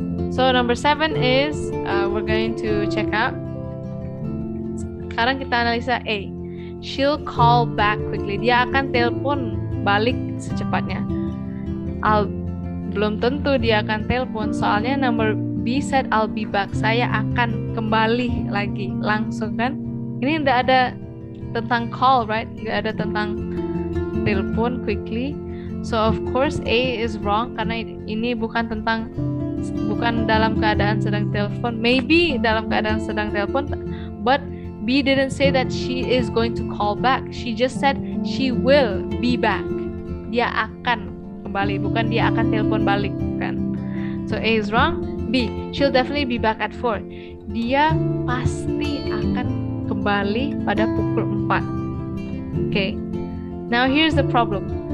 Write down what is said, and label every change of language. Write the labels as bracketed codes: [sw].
[en] So number 7 is, we're going to check out. [id] Sekarang kita analisa A. [en] She'll call back quickly. [id] Dia akan telpon balik secepatnya. Belum tentu dia akan telpon. Soalnya [en] number B said, I'll be back. [id] Saya akan kembali lagi. Langsung kan? Ini gak ada tentang call, right? Gak ada tentang telpon quickly. [en] So of course A is wrong. [id] Karena ini bukan tentang, bukan dalam keadaan sedang telpon. Maybe dalam keadaan sedang telpon. [en] But B didn't say that she is going to call back. She just said she will be back. [id] Dia akan kembali, bukan dia akan telepon balik, kan? [en] So A is wrong. B, she'll definitely be back at 4. [id] Dia pasti akan kembali pada pukul 4. [en] Okay. Now here's the problem.